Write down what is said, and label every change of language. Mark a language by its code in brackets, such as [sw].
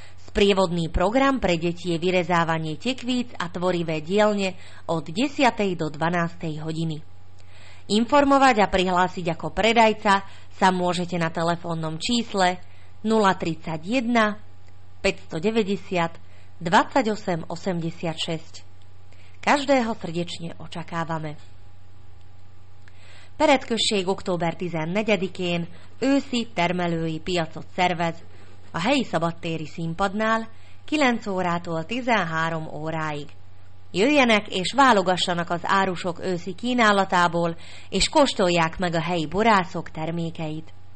[sk] Sprievodný program pre deti je vyrezávanie tekvíc a tvorivé dielne od 10. do 12. hodiny. Informovať a prihlásiť ako predajca sa môžete na telefónnom čísle 031 590 28 86. Každého srdečne očakávame. [hu] Peretkösség október 14-én őszi termelői piacot szervez a helyi szabadtéri színpadnál 9 órától 13 óráig. Jöjjenek és válogassanak az árusok őszi kínálatából, és kóstolják meg a helyi borászok termékeit.